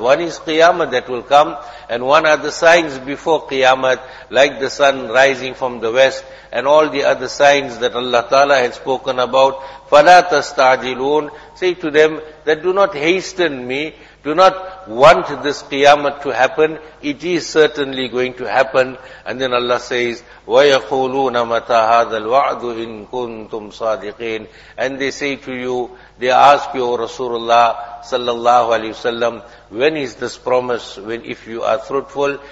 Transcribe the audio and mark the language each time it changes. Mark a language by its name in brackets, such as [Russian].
[English] One is Qiyamah that will come, and one are the signs before Qiyamah, like the sun rising from the west, and all the other signs that Allah Ta'ala has spoken about. [Arabic] فَلَا تَسْتَعْجِلُونَ. [English] Say to them that do not hasten me, do not want this Qiyamah to happen, it is certainly going to happen. And then Allah says, [Arabic] وَيَقُولُونَ مَتَى هَذَا الْوَعْدُ إِن كُنْتُمْ صَادِقِينَ. [English] And they say to you, they ask you, O Rasulullah sallallahu alayhi wa sallam, when is this promise, when if you are truthful?